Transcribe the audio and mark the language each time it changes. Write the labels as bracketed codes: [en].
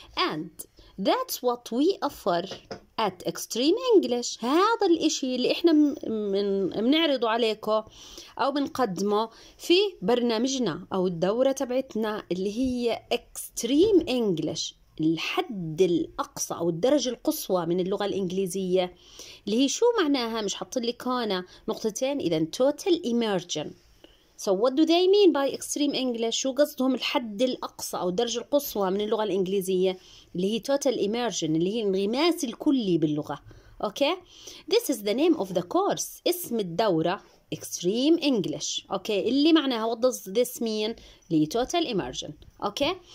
[en] And that's what we offer at Extreme English. [ar] هذا الإشي اللي إحنا منعرضه عليكم أو بنقدمه في برنامجنا أو الدورة تبعتنا اللي هي Extreme English. الحد الأقصى أو الدرجة القصوى من اللغة الإنجليزية اللي هي شو معناها؟ مش حطلك هنا نقطتين؟ إذن Total Immersion. [en] So what do they mean by extreme English? [ar] شو قصدهم الحد الأقصى أو الدرجة القصوى من اللغة الإنجليزية اللي هي total immersion اللي هي الانغماس الكلي باللغة. Okay? [en] This is the name of the course. [ar] اسم الدورة [en] extreme English. Okay? [ar] اللي معناها [en] what does this mean? [ar] اللي هي [en] total immersion. Okay?